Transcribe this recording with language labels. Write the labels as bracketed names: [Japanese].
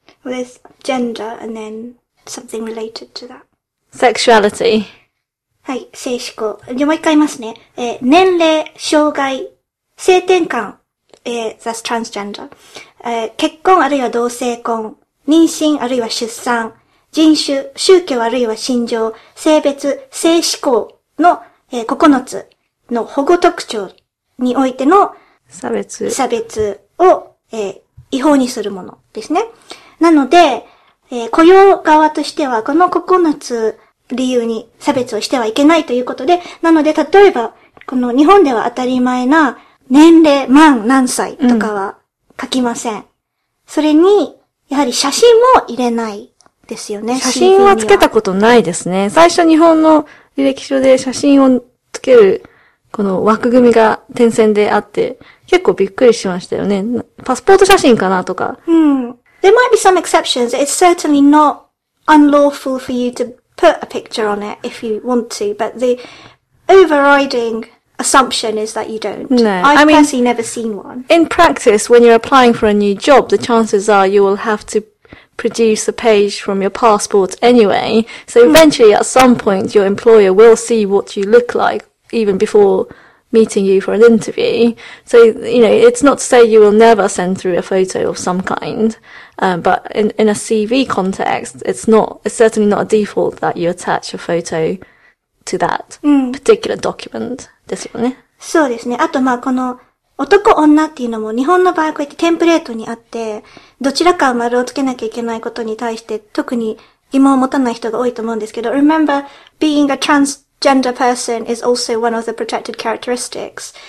[English] Well, there's gender and then something related to that. Sexuality? [Japanese] はい、性嗜好。じゃあもう一回言いますね。年齢、障害、性転換。 [English] That's transgender. [Japanese] 結婚あるいは同性婚、妊娠あるいは出産、人種、宗教あるいは信条、性別、性嗜好の、9つの保護特徴においての差別を、違法にするものですね。なので、雇用側としてはこの9つ理由に差別をしてはいけないということで、なので例えばこの日本では当たり前な年齢満何歳とかは、うん書きません。それに、やはり写真も入れないですよね。写真はつけたことないですね。最初日本の履歴書で写真をつける、この枠組みが点線であって、結構びっくりしましたよね。パスポート写真かなとか。 [English] うん。There might be some exceptions. It's certainly not unlawful for you to put a picture on it if you want to, but the overriding... assumption is that you don't. No, I've personally never seen one. In practice, when you're applying for a new job, the chances are you will have to produce a page from your passport anyway. So eventually, at some point, your employer will see what you look like even before meeting you for an interview. So, you know, it's not to say you will never send through a photo of some kind. But in a CV context, it's certainly not a default that you attach a photo to that particular document. [Japanese] ですよね、そうですね。あと、ま、この、男女っていうのも、日本の場合、こうやってテンプレートにあって、どちらかを丸をつけなきゃいけないことに対して、特に疑問を持たない人が多いと思うんですけど、 [English] Remember, being a transgender person is also one of the protected characteristics.